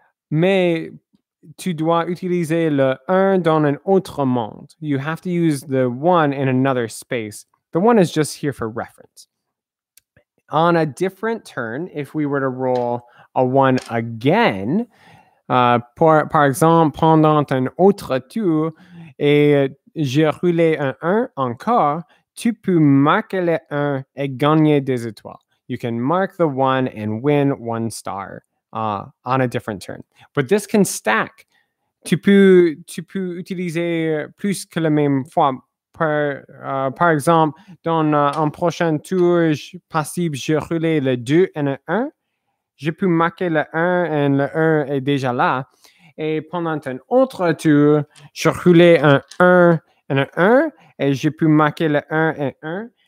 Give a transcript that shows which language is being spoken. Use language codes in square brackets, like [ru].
[fr] Mais tu dois utiliser le un dans un autre monde. [en] You have to use the one in another space. The one is just here for reference. On a different turn, if we were to roll a one again, [fr] par exemple, pendant un autre tour, et j'ai roulé un encore, tu peux marquer le un et gagner des étoiles. [en] You can mark the one and win one star on a different turn. But this can stack. [fr] Tu peux utiliser plus que la même fois. Par exemple, dans un prochain tour passif, j'ai roulé le deux et le un. Je peux marquer le 1 et le 1 est déjà là. Et pendant un autre tour, je roulais un 1 et un 1 et je peux marquer le 1 et 1.